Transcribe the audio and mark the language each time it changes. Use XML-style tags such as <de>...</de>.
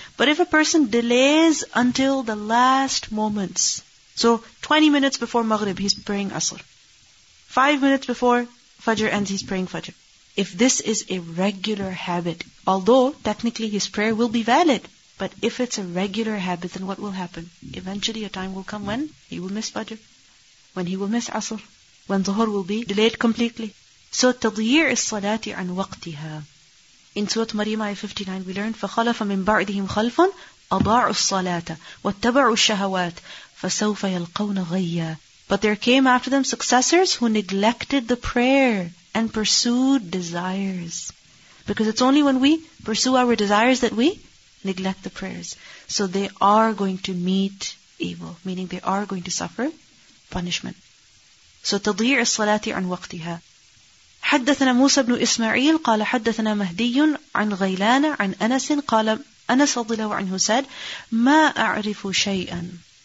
<en>But if a person delays until the last moments, so 20 minutes before Maghrib he's praying Asr, 5 minutes before Fajr ends he's praying Fajr. If this is a regular habit, although technically his prayer will be valid, but if it's a regular habit, then what will happen? Eventually a time will come when he will miss Fajr, when he will miss Asr, when Zuhur will be delayed completely.</en> <ar>So تضييع الصلاة عن وقتها.</ar> <en>In Surah Maryam ayah 59 we learn,</en> <ar>فَخَلَفَ مِنْ بَعْدِهِمْ خَلْفٌ أَضَاعُوا الصَّلَاةَ وَاتَّبَعُوا الشَّهَوَاتِ فَسَوْفَ يَلْقَوْنَ غَيَّا.</ar> <en>But there came after them successors who neglected the prayer and pursued desires. Because it's only when we pursue our desires that we neglect the prayers. So they are going to meet evil, meaning they are going to suffer punishment.</en> <ar>So تَضِيعِ الصَّلَاةِ عَنْ وَقْتِهَا. حدثنا موسى بن إسماعيل قال حدثنا مهدي عن غيلان عن أنس قال أنس رضي الله عنه</ar> <en>said</en> <ar>ما أعرف شيئا.</ar>